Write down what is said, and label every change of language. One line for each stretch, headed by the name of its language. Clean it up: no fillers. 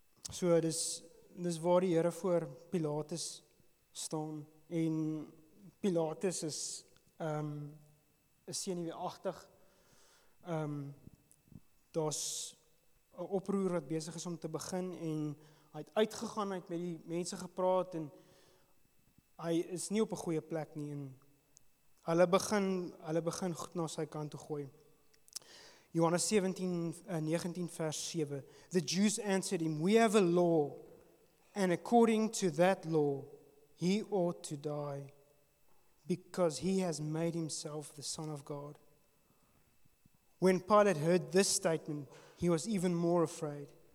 Afrikaans: So, dis waar die Here voor Pilatus staan, en Pilatus is senuweeagtig. Daar's 'n oproer wat besig is om te begin, en hy het uitgegaan, hy het met die mense gepraat, en hy is nie op 'n goeie plek nie, en hulle begin goed na sy kant toe gooi. Johannes 19 vers 7,
English: the Jews answered him, we have a law, and according to that law, he ought to die, because he has made himself the Son of God. When Pilate heard this statement, he was even more afraid.